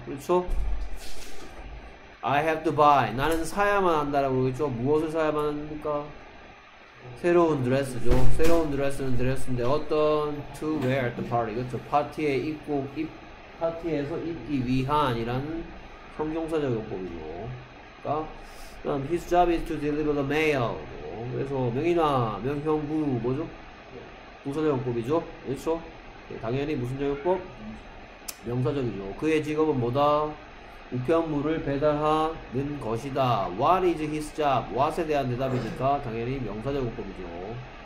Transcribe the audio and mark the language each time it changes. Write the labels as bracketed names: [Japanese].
[Korean] 그렇죠? [English] I have to buy. [Korean] 나는 사야만 한다라고 했죠. 무엇을 사야만 합니까? 새로운 드레스죠. 새로운 드레스는 드레스인데 어떤 [English] to wear at the party. [Korean] 그렇죠. 파티에 입고 입 파티에서 입기 위한이라는 형용사적 용법이고. 그러니까 그럼 [English] his job is to deliver the mail. [Korean] 그래서 명이나 명형부 뭐죠? 부사적 용법이죠. 그렇죠. 당연히 무슨 적용법? 명사적이죠. 그의 직업은 뭐다? 우편물을 배달하는 것이다. [English] What is his job? [Korean] What에 대한 대답이니까 당연히 명사적 문법이죠.